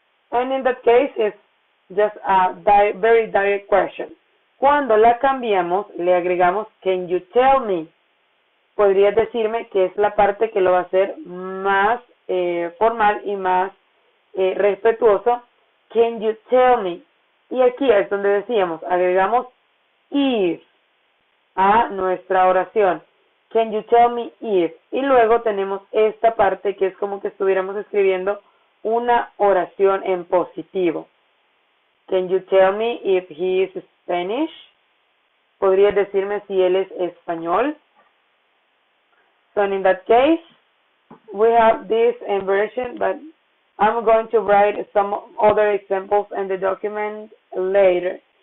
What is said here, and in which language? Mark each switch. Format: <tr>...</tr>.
<en>And in that case, it's just a very direct question.</en> <es>Cuando la cambiamos, le agregamos,</es> <en>can you tell me?</en> <es>Podrías decirme que es la parte que lo va a hacer más formal y más respetuoso.</es> <en>Can you tell me?</en> <es>Y aquí es donde decíamos, agregamos if a nuestra oración.</es> <en>Can you tell me if?</en> <es>Y luego tenemos esta parte que es como que estuviéramos escribiendo una oración en positivo.</es> <en>Can you tell me if he is Spanish?</en> <es>Podrías decirme si él es español.</es> <en>So in that case, we have this inversion, but I'm going to write some other examples in the document later.</en>